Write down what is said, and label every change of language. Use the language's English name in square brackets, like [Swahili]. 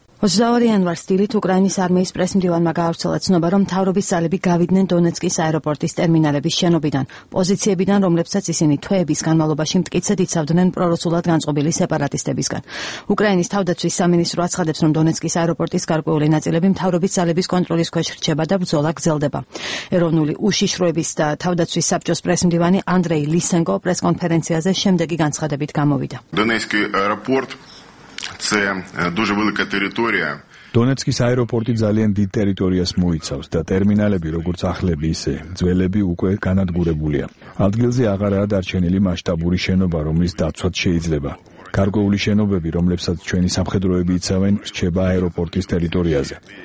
[Georgian] 22 იანვარს დილით უკრაინის არმიის პრესმდივანმა გაავრცელა ცნობა, რომ თავრობის ძალები გავიდნენ დონეცკის აეროპორტის ტერმინალების შენობიდან, პოზიციებიდან, რომლებსაც ისინი თვეების განმავლობაში მტკიცედ იცავდნენ პრორუსულად განწყობილი სეპარატისტებისგან. უკრაინის თავდაცვის სამინისტრო აცხადებს, რომ დონეცკის აეროპორტის გარკვეული ნაწილები თავრობის ძალების კონტროლის ქვეშ რჩება და ბრძოლა გრძელდება. ეროვნული უშიშროების და თავდაცვის საბჭოს პრესმდივანი ანდრეი ლისენკო პრესკონფერენციაზე შემდეგი განცხადებით გამოვიდა. [Ukrainian] დონეცკი აეროპორტ це дуже велика територія. [Georgian] დონეცკის აეროპორტი ძალიან დიდ ტერიტორიას მოიცავს და ტერმინალები, როგორც ახლები, ისე ძველები უკვე განადგურებულია. ადგილზე აღარაა დარჩენილი მასშტაბური შენობა, რომლის დაცვა შეიძლება. გარკვეული შენობები, რომლებსაც ჩვენი სამხედროები იცავენ, რჩება აეროპორტის ტერიტორიაზე.